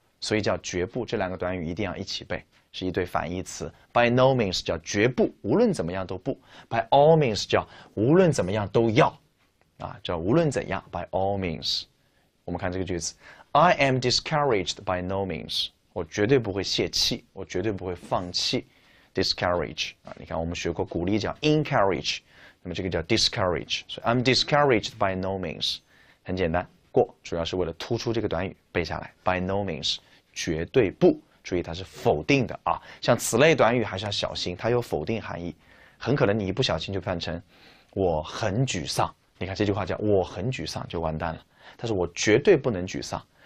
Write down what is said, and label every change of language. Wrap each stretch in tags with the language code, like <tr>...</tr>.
<zh>所以叫绝不，这两个短语一定要一起背，是一对反义词。</zh> <en>By no means</en> <zh>叫绝不，无论怎么样都不；</zh> <en>By all means</en> <zh>叫无论怎么样都要，啊，叫无论怎样。</zh> <en>By all means，</en> <zh>我们看这个句子：</zh> <en>I am discouraged by no means。</en> <zh>我绝对不会泄气，我绝对不会放弃。Discourage 啊，你看我们学过鼓励叫 encourage，那么这个叫 discourage。所以</zh> <en>I'm discouraged by no means，</en> <zh>很简单。过主要是为了突出这个短语，背下来。</zh> <en>By no means，</en> <zh>绝对不，注意它是否定的啊。像此类短语还是要小心，它有否定含义，很可能你一不小心就变成我很沮丧。你看这句话叫我很沮丧就完蛋了，但是我绝对不能沮丧。</zh>